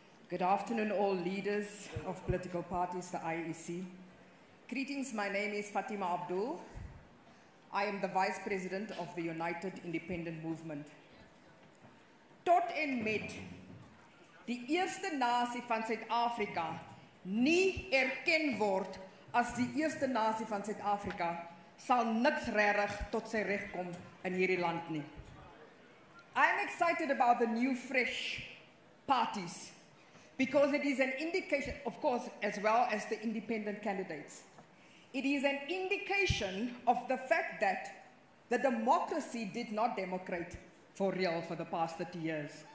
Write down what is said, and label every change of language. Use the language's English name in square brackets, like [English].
[English] Good afternoon, all leaders of political parties, the IEC. Greetings, my name is Fatima Abdool. I am the Vice President of the United Independent Movement. [Afrikaans] Tot en met, die eerste nasie van Suid-Afrika nie erken word as die eerste nasie van Suid-Afrika sal niks regtig tot sy reg kom in hierdie land nie. [English] I am excited about the new fresh parties. Because it is an indication, of course, as well as the independent candidates. It is an indication of the fact that the democracy did not democrate for real for the past 30 years.